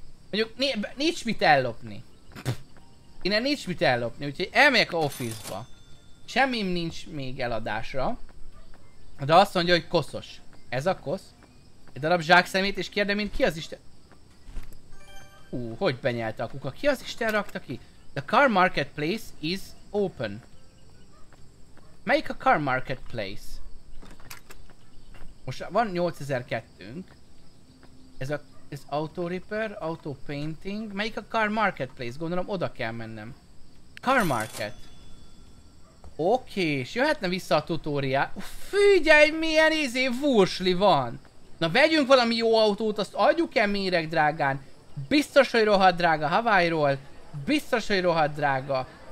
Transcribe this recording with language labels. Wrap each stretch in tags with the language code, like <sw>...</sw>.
<hu>mondjuk nincs mit ellopni. Innen nincs mit ellopni, úgyhogy elmegyek a office-ba. Semmim nincs még eladásra. De azt mondja, hogy koszos. Ez a kosz? Egy darab zsák szemét, és kérde, mint ki az Isten... hogy benyelte a kuka? Ki az Isten rakta ki?</hu> <en>The car marketplace is open.</en> <hu>Melyik a</hu> <en>car marketplace?</en> <hu>Most van 8002-ünk. Ez a... ez</hu> <en>auto repair, auto painting.</en> <hu>Melyik a car marketplace? Gondolom oda kell mennem. Car market. Oké, és jöhetne vissza a tutóriá. Figyelj, milyen izé vursli van. Na vegyünk valami jó autót, azt adjuk el méreg drágán. Biztos, hogy rohadt drága Hawaii-ról. Biztos, hogy rohadt drága.</hu>